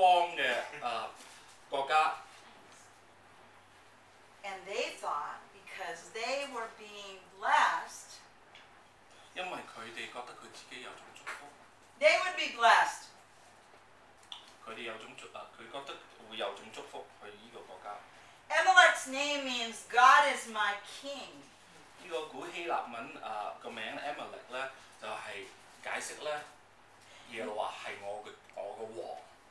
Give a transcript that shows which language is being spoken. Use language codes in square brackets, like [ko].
[zh] 他们呢就去到一个以邦的国家。 [en] And they thought because they were being blessed, [zh] 因为他们觉得自己有种祝福, [en] they would be blessed. [zh] 他们有种祝福去这个国家。 [en] Amalek's name means God is my king. [zh] 这个古希腊文的名 Amalek 就是解释呢, 耶和华是我的王。